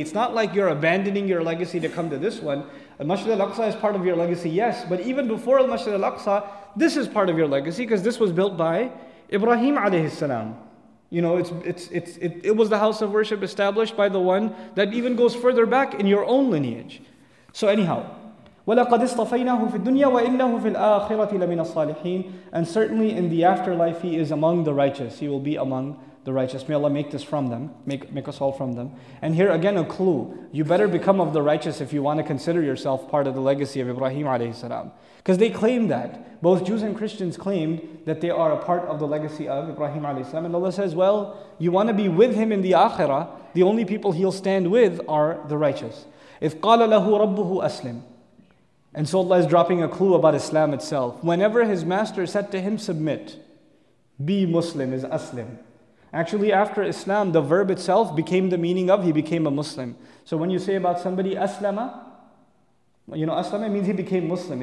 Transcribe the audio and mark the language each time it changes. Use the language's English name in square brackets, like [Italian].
[English] It's not like you're abandoning your legacy to come to this one. Al-Masjid al-Aqsa is part of your legacy, yes. But even before Al-Masjid al-Aqsa, this is part of your legacy because this was built by Ibrahim alayhi salam. You know, it was the house of worship established by the one that even goes further back in your own lineage. So anyhow, [Arabic] وَلَقَدِ اصْطَفَيْنَاهُ فِي الدُّنْيَا وَإِنَّهُ فِي الْآخِرَةِ لَمِنَ الصَّالِحِينَ. [English] And certainly in the afterlife, he is among the righteous. He will be among the righteous. May Allah make this from them. Make us all from them. And here again, a clue. You better become of the righteous if you want to consider yourself part of the legacy of Ibrahim alayhi salam. Because they claim that. Both Jews and Christians claimed that they are a part of the legacy of Ibrahim alayhi salam. And Allah says, well, you want to be with him in the akhirah. The only people he'll stand with are the righteous. If [Arabic] قَالَ لَهُ رَبُّهُ أَسْلِمْ. [English] And so Allah is dropping a clue about Islam itself. Whenever his master said to him, submit, be Muslim is aslim. Actually, after Islam, the verb itself became the meaning of he became a Muslim. So when you say about somebody, aslama, you know, aslama means he became Muslim.